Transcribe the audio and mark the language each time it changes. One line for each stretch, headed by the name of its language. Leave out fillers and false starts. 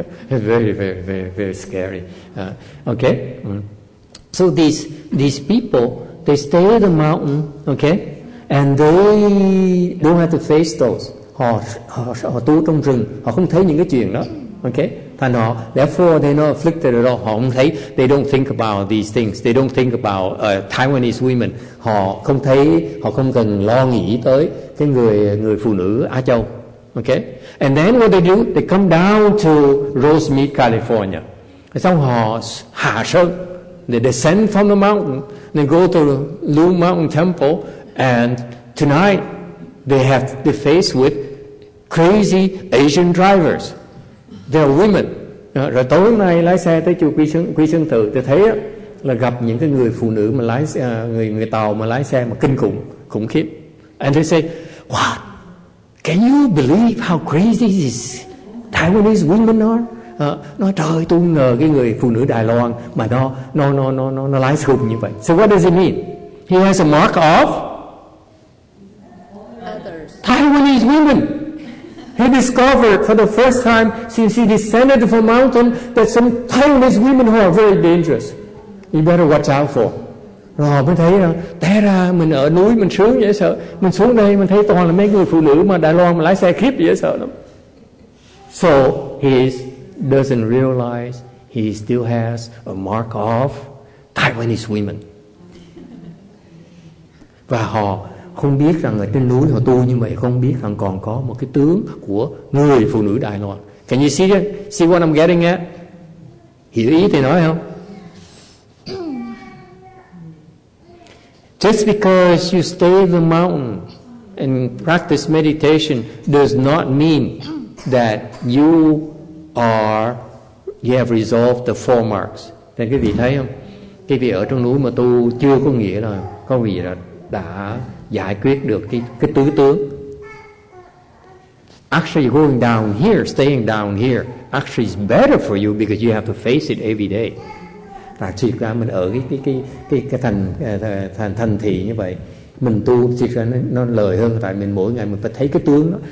English: Very, very, very, very scary. Okay? So these people, they stay at the mountain, okay? And they don't have to face those.
Vietnamese: Họ tu trong rừng, họ không thấy những cái chuyện đó.
English: Okay?
Vietnamese: Thành họ,
English: therefore they're not afflicted at all.
Vietnamese: Họ không thấy,
English: they don't think about these things. They don't think about Taiwanese women.
Vietnamese: Họ không thấy, họ không cần lo nghĩ tới cái người phụ nữ Á Châu.
English: Okay? And then what they do? They come down to Rosemead, California.
Vietnamese: Xong họ hạ sơn.
English: They descend from the mountain. They go to Lu Mountain Temple. And tonight, they have to face with crazy Asian drivers. They're women.
Vietnamese: Rồi tối hôm nay lái xe tới chùa Quy Sơn Tự, tôi thấy là gặp những cái người phụ nữ mà lái người tàu mà lái xe mà kinh khủng, khủng khiếp.
English: And they say, "What? Can you believe how crazy these Taiwanese women are?"
Vietnamese: Nói trời, tôi ngờ cái người phụ nữ Đài Loan mà nó lái khủng như vậy.
English: So what does it mean? He has a mark of Taiwanese women. He discovered for the first time since he descended from the mountain that some Taiwanese women who are very dangerous. You better watch out for.
Vietnamese: Rồi mới thấy là té ra mình ở núi mình sướng dễ sợ. Mình xuống đây mình thấy toàn là mấy người phụ nữ mà Đài Loan mà lái xe khiếp dễ sợ lắm.
English: So he doesn't realize he still has a mark of Taiwanese women.
Vietnamese: Và họ không biết rằng ở trên núi họ tu như vậy, không biết rằng còn có một cái tướng của người phụ nữ Đài Loan.
English: Can you see it? See what I'm getting at?
Vietnamese: Hiểu ý thì nói không?
English: Just because you stay in the mountain and practice meditation does not mean that you have resolved the four marks.
Vietnamese: Thế quý vị thấy không? Quý vị ở trong núi mà tu chưa có nghĩa là có vị là đã giải quyết được cái tứ tướng.
English: Actually going down here, staying down here, actually is better for you because you have to face it every day.
Vietnamese: Thật ra mình ở cái thành thị như vậy, mình tu thật ra nó lợi hơn, tại mình mỗi ngày mình phải thấy cái tướng đó.